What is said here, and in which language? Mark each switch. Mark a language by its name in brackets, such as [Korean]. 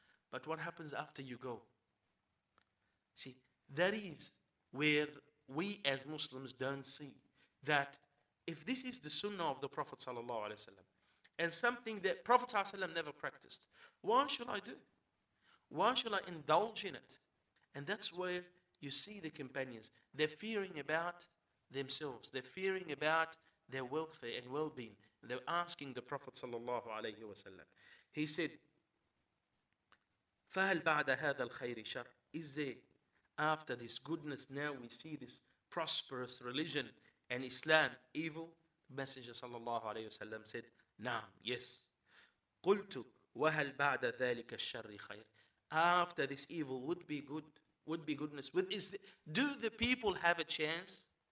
[English] But what happens after you go? See, that is where we as Muslims don't see that if this is the sunnah of the Prophet sallallahu alayhi wa sallam and something that Prophet sallallahu alayhi wa sallam never practiced, why should I do? Why should I indulge in it? And that's where you see the companions. They're fearing about themselves. They're fearing about their welfare and well-being. They're asking the Prophet sallallahu alayhi wa sallam. He said, [Arabic] فَهَلْ بَعْدَ هَذَا الْخَيْرِ شَرْ. [English] Is there after this goodness, now we see this prosperous religion and Islam, evil? The Messenger sallallahu alayhi wa sallam said, Naam, yes. [Arabic] قُلْتُ وَهَلْ بَعْدَ ذَلِكَ الشَّرِّ خَيْرِ. [English] After this evil would be good, would be goodness. Do the people have a chance?